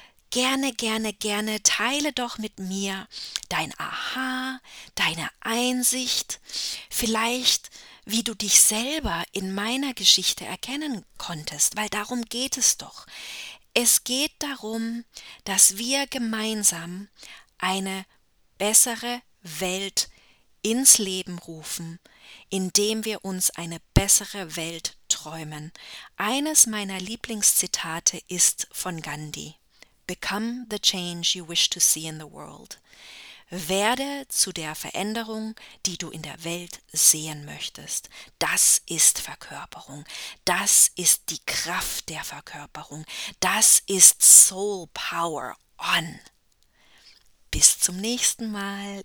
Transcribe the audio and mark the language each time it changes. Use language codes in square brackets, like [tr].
[de] Gerne, gerne, gerne teile doch mit mir dein Aha, deine Einsicht, vielleicht wie du dich selber in meiner Geschichte erkennen konntest, weil darum geht es doch. Es geht darum, dass wir gemeinsam eine bessere Welt ins Leben rufen, indem wir uns eine bessere Welt träumen. Eines meiner Lieblingszitate ist von Gandhi. [en] Become the change you wish to see in the world. [de] Werde zu der Veränderung, die du in der Welt sehen möchtest. Das ist Verkörperung. Das ist die Kraft der Verkörperung. Das ist Soul Power on. Bis zum nächsten Mal.